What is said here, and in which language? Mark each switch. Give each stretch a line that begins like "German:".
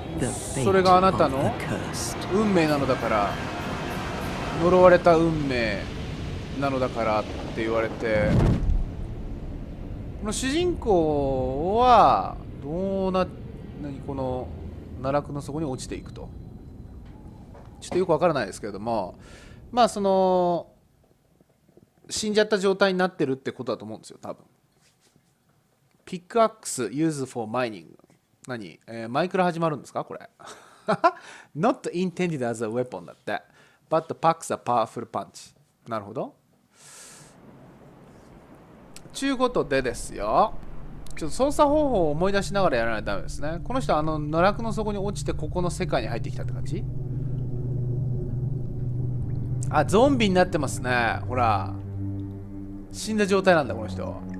Japanese: それがあなたの運命なのだから、呪われた運命なのだからって言われて、この主人公はどうな、何この奈落の底に落ちていくと、ちょっとよくわからないですけれども、まあその死んじゃった状態になってるってことだと思うんですよ多分。
English: ピックアックス used for mining、
Japanese: 何、マイクラ始まるんですかこれ
English: Not intended as a weapon
Japanese: だって、
English: but packs a powerful punch。
Japanese: なるほど、ちゅうことでですよ、ちょっと操作方法を思い出しながらやらないとダメですね。この人はあの奈落の底に落ちてここの世界に入ってきたって感じ。あ、ゾンビになってますね。ほら死んだ状態なんだこの人。